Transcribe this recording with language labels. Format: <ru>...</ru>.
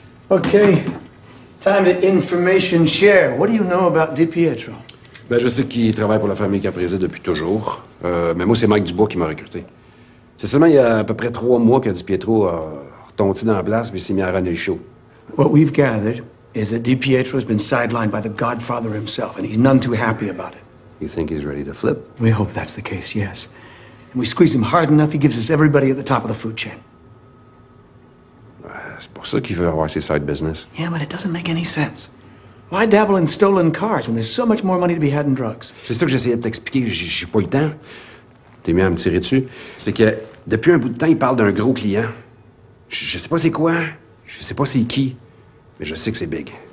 <en>OK. Time to information share. What do you know about DiPietro?</en> <fr>Ben, je sais qu'il travaille pour la famille Caprese depuis toujours. Mais moi, c'est Mike Dubois qui m'a recruté. C'est seulement il y a à peu près 3 mois que DiPietro a retonti dans la place et s'est mis à ranner le show.</fr> <en>What we've gathered is that DiPietro has been sidelined by the Godfather himself, and he's none too happy about it. You think he's ready to flip? We hope that's the case, yes. And we squeeze him hard enough, he gives us everybody at the top of the food chain.</en> <fr>C'est pour ça qu'il veut avoir ses side business.</fr> <en>Yeah, but it doesn't make any sense. Why dabble in stolen cars when there's so much more money to be had in drugs?</en> <fr>C'est ça que j'essayais de t'expliquer, j'ai pas eu le temps. T'es mieux à me tirer dessus. C'est que depuis un bout de temps, il parle d'un gros client. Je sais pas c'est quoi, je sais pas c'est qui, mais je sais que c'est big.</fr>